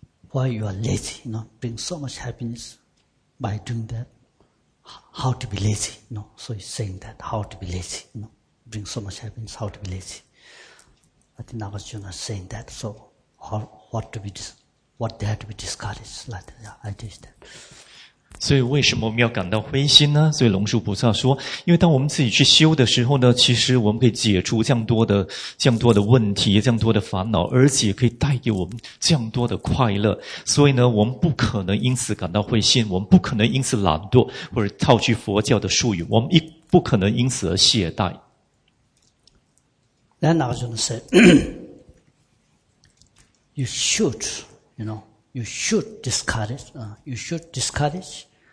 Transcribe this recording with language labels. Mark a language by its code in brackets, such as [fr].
[en] Why you are lazy, you know, bring so much happiness by doing that. How to be lazy, you know. So he's saying that, how to be lazy, you know, bring so much happiness, how to be lazy. I think Nagarjuna is saying that, so how, what to be, what there to be discouraged, like that, yeah, I did that. [zh] 所以为什么我们要感到灰心呢？所以龙树菩萨说，因为当我们自己去修的时候呢，其实我们可以解除这样多的问题，这样多的烦恼，而且可以带给我们这样多的快乐。所以呢，我们不可能因此感到灰心，我们不可能因此懒惰，或者套句佛教的术语，我们不可能因此而懈怠。 [en] Then Nagarjuna said, you should, you know,You should discourage, You should be discouraged.